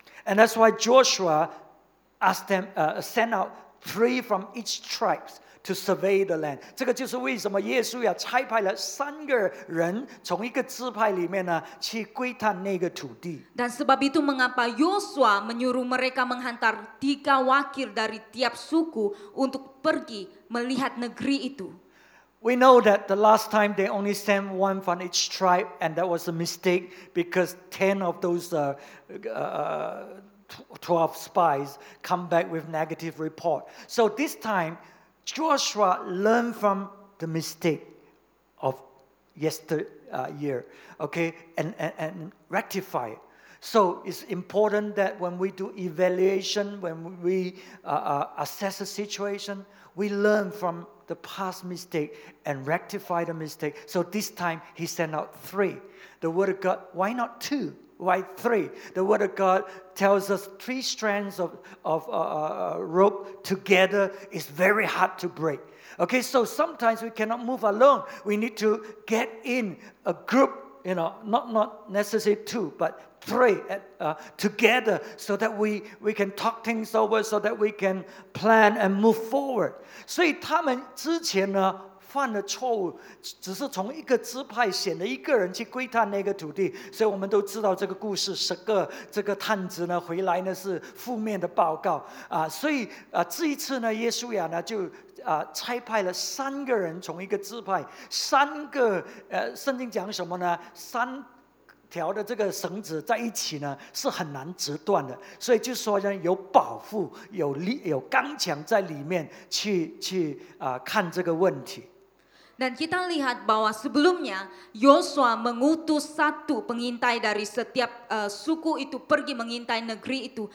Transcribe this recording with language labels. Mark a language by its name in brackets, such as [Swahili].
[English] And that's why Joshua asked them, sent out 3 from each tribe to survey the land. [Chinese] 这个就是为什么耶稣要差派了三个人从一个支派里面呢去窥探那个土地。 [Malay] Dan sebab itu mengapa Yosua menyuruh mereka menghantar 3 wakil dari tiap suku untuk pergi melihat negeri itu. [English] We know that the last time they only sent 1 from each tribe and that was a mistake because 10 of those 12 spies come back with negative report. So this time Joshua learned from the mistake of yesteryear, okay, and rectify it. So it's important that when we do evaluation, when we assess a situation, we learn from the past mistake and rectify the mistake. So this time he sent out 3. The word of God, why not 2? Why 3? The word of God tells us 3 strands of rope together is very hard to break. Okay, so sometimes we cannot move alone. We need to get in a group, you know, not necessarily 2, but 3 together so that we can talk things over, so that we can plan and move forward. [Chinese] 所以他们之前呢, 犯了错误, 只是从一个支派选了一个人去窥探那个土地, 所以我们都知道这个故事, 这个探子呢, 回来呢, 是负面的报告, 所以, 这一次呢, 耶稣亚呢, 就, 差派了三个人从一个支派, 三个, 圣经讲什么呢, 三条的这个绳子在一起呢, 是很难折断的, 所以就说呢有保护, 有力, 有刚强在里面, 去, 去, 看这个问题。 [Malay] Dan kita lihat bahwa sebelumnya Yosua mengutus 1 pengintai dari setiap suku itu pergi mengintai negeri itu.